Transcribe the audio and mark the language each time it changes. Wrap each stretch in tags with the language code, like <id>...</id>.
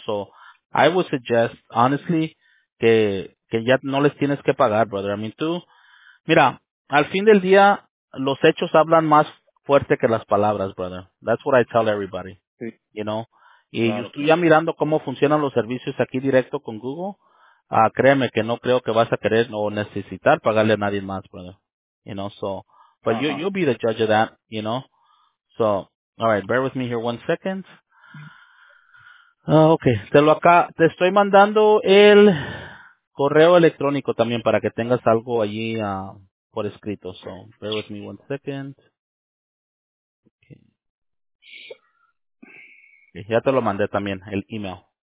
<en>So, I would suggest, honestly,</en> <es>que ya no les tienes que pagar, brother. I mean, tú, mira, al fin del día, los hechos hablan más fuerte que las palabras, brother.</es> <en>That's what I tell everybody.</en> <es>Sí. You know? Y claro, yo estoy ya mirando cómo funcionan los servicios aquí directo con Google. Ah, créeme que no creo que vas a querer o necesitar pagarle a nadie más, brother.</es> <en>You know, so, but you'll be the judge of that, you know. So, all right, bear with me here 1 second.</en> <es>Okay, te estoy mandando el correo electrónico también para que tengas algo allí por escrito.</es> <en>So, bear with me 1 second. Okay.</en> <es>Okay, ya te lo mandé también, el email.</es>